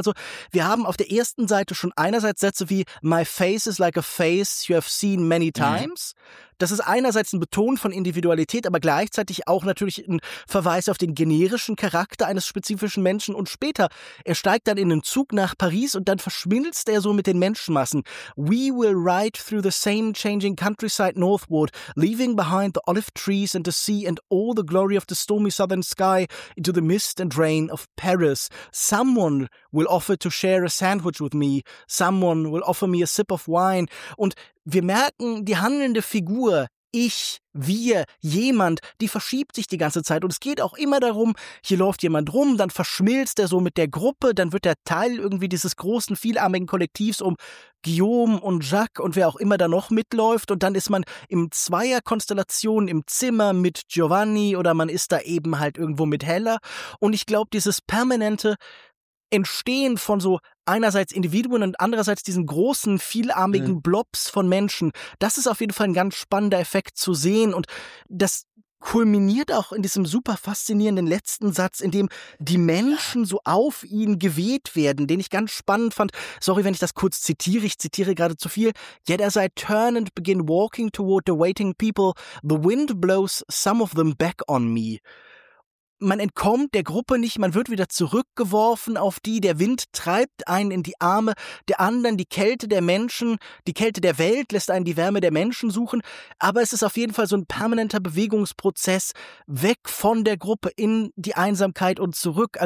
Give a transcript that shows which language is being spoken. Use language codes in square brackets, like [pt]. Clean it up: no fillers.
[de] Also wir haben auf der ersten Seite schon einerseits Sätze wie [en] My face is like a face you have seen many times. [de] Das ist einerseits ein Beton von Individualität, aber gleichzeitig auch natürlich ein Verweis auf den generischen Charakter eines spezifischen Menschen. Und später, er steigt dann in den Zug nach Paris und dann verschmilzt er so mit den Menschenmassen. [en] We will ride through the same changing countryside northward, leaving behind the olive trees and the sea and all the glory of the stormy southern sky into the mist and rain of Paris. Someone will offer to share a sandwich with me. Someone will offer me a sip of wine. [de] Und wir merken, die handelnde Figur, ich, wir, jemand, die verschiebt sich die ganze Zeit. Und es geht auch immer darum, hier läuft jemand rum, dann verschmilzt er so mit der Gruppe, dann wird er Teil irgendwie dieses großen, vielarmigen Kollektivs um Guillaume und Jacques und wer auch immer da noch mitläuft. Und dann ist man im Zweierkonstellation im Zimmer mit Giovanni oder man ist da eben halt irgendwo mit Hella. Und ich glaube, dieses permanente Entstehen von so einerseits Individuen und andererseits diesen großen, vielarmigen Blobs von Menschen. Das ist auf jeden Fall ein ganz spannender Effekt zu sehen und das kulminiert auch in diesem super faszinierenden letzten Satz, in dem die Menschen so auf ihn geweht werden, den ich ganz spannend fand. Sorry, wenn ich das kurz zitiere, ich zitiere gerade zu viel. [en] Yet as I turn and begin walking toward the waiting people, the wind blows some of them back on me. [de] Man entkommt der Gruppe nicht, man wird wieder zurückgeworfen auf die, der Wind treibt einen in die Arme der anderen, die Kälte der Menschen, die Kälte der Welt lässt einen die Wärme der Menschen suchen, aber es ist auf jeden Fall so ein permanenter Bewegungsprozess weg von der Gruppe in die Einsamkeit und zurück.